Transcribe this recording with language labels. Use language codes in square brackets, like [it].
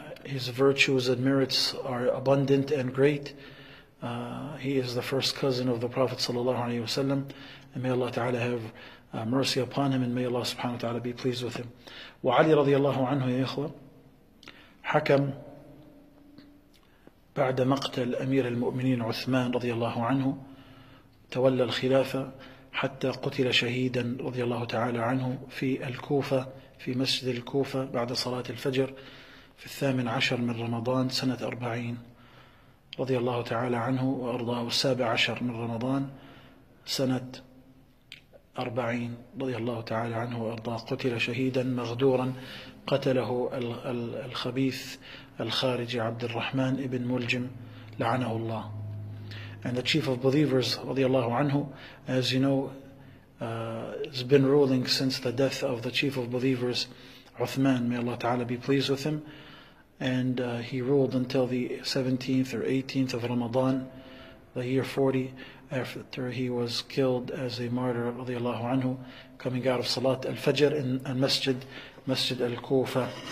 [en] his virtues and merits are abundant and great. He is the first cousin of the Prophet sallallahu alaihi wasallam, and may Allah Ta'ala have mercy upon him, and may Allah subhanahu wa ta'ala be pleased with him. [ar] Wa Ali radiyallahu anhu ya ikhwa hakam بعد مقتل أمير المؤمنين عثمان رضي الله عنه تولى الخلافة حتى قتل شهيدا رضي الله تعالى عنه في الكوفة في مسجد الكوفة بعد صلاة الفجر في 18 من رمضان سنة 40 رضي الله تعالى عنه وأرضاه 17 من رمضان سنة 40 رضي الله تعالى عنه وأرضاه قتل شهيدا مغدورا قتله الخبيث الخارجي عبد الرحمن ابن ملجم لعنه الله. [en] And the chief of believers رضي الله عنه, as you know, has been ruling since the death of the chief of believers عثمان, may Allah Ta'ala be pleased with him, and he ruled until the 17th or 18th of Ramadan the year 40 after he was killed as a martyr رضي الله عنه coming out of Salat al-Fajr in al-Masjid Masjid al-Kufa.